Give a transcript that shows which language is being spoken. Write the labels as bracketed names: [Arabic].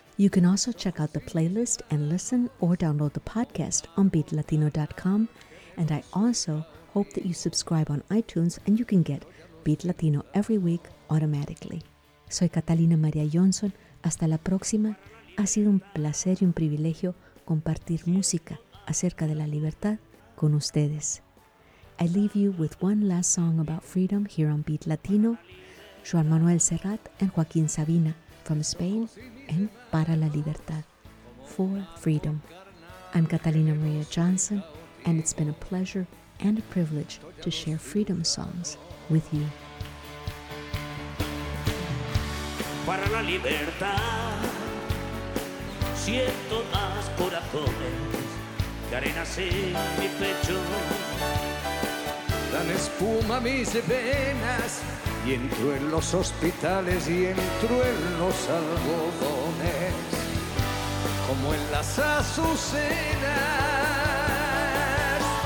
[English] You can also check out the playlist and listen or download the podcast on beatlatino.com. And I also hope that you subscribe on iTunes and you can get Beat Latino every week automatically. [Spanish] Soy Catalina María Johnson. Hasta la próxima. Ha sido un placer y un privilegio compartir música acerca de la libertad con ustedes. [English] I leave you with one last song about freedom here on Beat Latino, Joan Manuel Serrat and Joaquín Sabina from Spain and Para la Libertad, for freedom. I'm Catalina Maria Johnson, and it's been a pleasure and a privilege to share freedom songs with you. [Spanish] Para la libertad, siento más corazones que arenas en mi pecho. Dan espuma a mis venas y entro en los hospitales y entro en los algodones como en las azucenas.